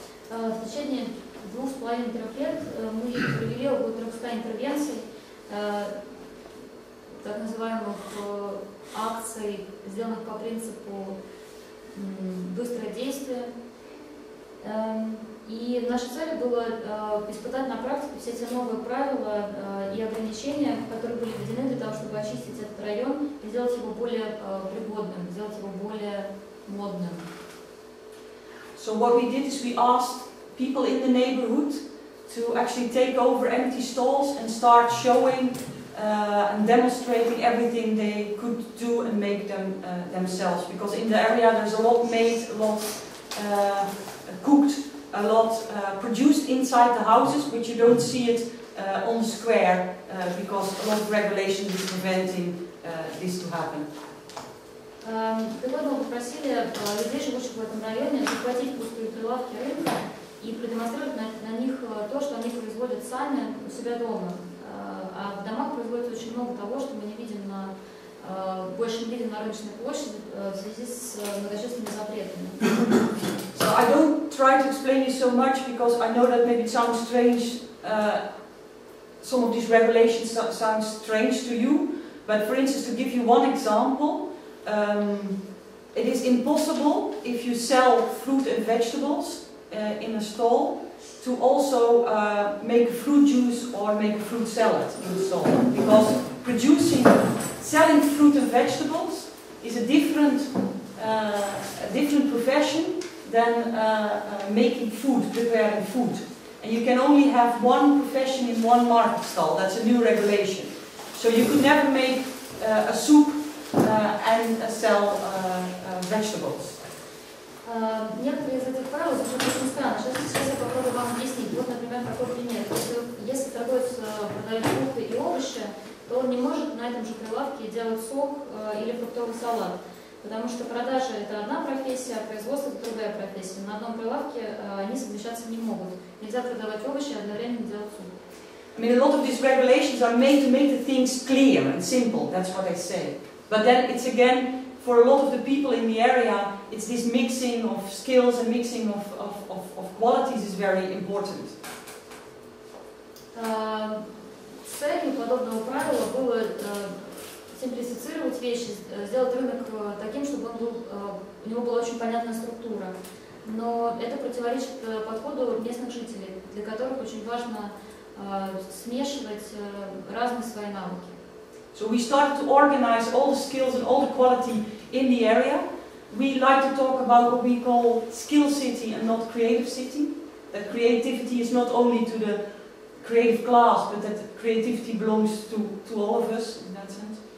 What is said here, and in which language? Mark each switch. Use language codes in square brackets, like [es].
[ru] В течение 2.5-3 лет мы провели около 300 интервенций, так называемых акций, сделанных по принципу быстрое действие. И наша цель была испытать на практике все эти новые правила и ограничения, которые были введены для того, чтобы очистить этот район и сделать его более пригодным, сделать его более модным. [en] So what we did is we asked people in the neighborhood to actually take over empty stalls and start showing and demonstrating everything they could do and make them themselves. Because in the area there's a lot made, a lot cooked, a lot produced inside the houses, but you don't see it on the square because a lot of regulations is preventing this to happen. [ru] Мы попросили людей, живущих в этом районе, захватить пустые прилавки рынка и продемонстрировать на них то, что они производят сами у себя дома. А в домах производится очень много того, что мы не видим на больше не видим на рыночной площади в связи с многочисленными запретами. [en] So I don't try to explain it so much because I know that maybe it sounds strange. Some of these regulations sound strange to you, but for instance, to give you one example. It is impossible if you sell fruit and vegetables in a stall to also make fruit juice or make fruit salad in the stall, because selling fruit and vegetables is a different profession than making food, preparing food, and you can only have one profession in one market stall. That's a new regulation, so you could never make a soup and sell vegetables. [ru] Некоторые из этих правил звучат очень странно. Сейчас я попробую вам объяснить. Вот, например, такой пример. Если торговец продает фрукты и овощи, то он не может на этом же прилавке делать сок или фруктовый салат, потому что продажа — это одна профессия, а производство — это другая профессия. На одном прилавке они совмещаться не могут. Нельзя продавать овощи и одновременно делать сок. [en] I mean, a lot of these regulations are made to make the things clear and simple. That's what I say. But then it's again, for a lot of the people in the area, it's this mixing of skills and mixing of qualities is very important. [ru] Целью подобного правила было симплифицировать вещи, сделать рынок таким, чтобы у него была очень понятная структура. Но это противоречит подходу местных жителей, для которых очень важно смешивать разные свои навыки. [en] So we started to organize all the skills and all the quality in the area. We like to talk about what we call skill city and not creative city. That creativity is not only to the creative class, but that creativity belongs to all of us in that sense.